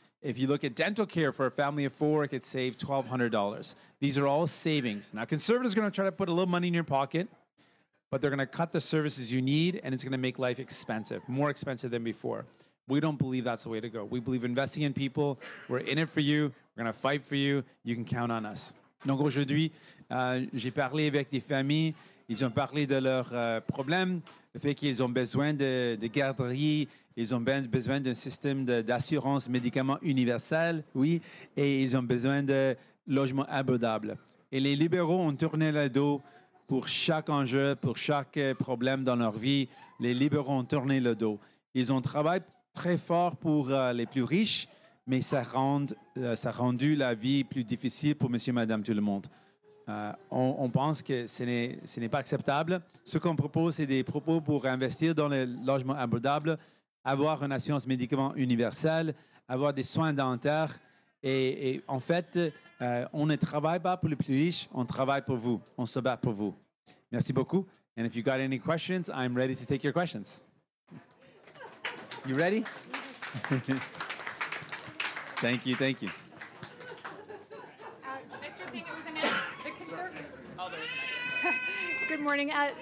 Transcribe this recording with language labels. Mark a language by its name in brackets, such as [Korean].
[English] If you look at dental care for a family of four, it could save $1,200. These are all savings. Now, Conservatives are going to try to put a little money in your pocket, but they're going to cut the services you need, and it's going to make life expensive, more expensive than before. We don't believe that's the way to go. We believe investing in people. We're in it for you. We're going to fight for you. You can count on us. [French] Donc aujourd'hui, j'ai parlé avec des familles. Ils ont parlé de leurs problèmes, le fait qu'ils ont besoin de garderies, ils ont besoin d'un système d'assurance médicaments universel, oui, et ils ont besoin de logements abordables. Et les libéraux ont tourné le dos pour chaque enjeu, pour chaque problème dans leur vie, les libéraux ont tourné le dos. Ils ont travaillé très fort pour les plus riches, mais ça rend la vie plus difficile pour monsieur et madame tout le monde. On pense que ce n'est pas acceptable. Ce qu'on propose, c'est des propos pour investir dans le logement abordable, avoir une assurance médicaments universelle, avoir des soins dentaires. Et en fait, on ne travaille pas pour les plus riches, on travaille pour vous, on se bat pour vous. Merci beaucoup. [English] And if you got any questions, I'm ready to take your questions. You ready? Thank you, thank you. Mr. Singh, it was announced the Conservative. Oh, there is. Good morning.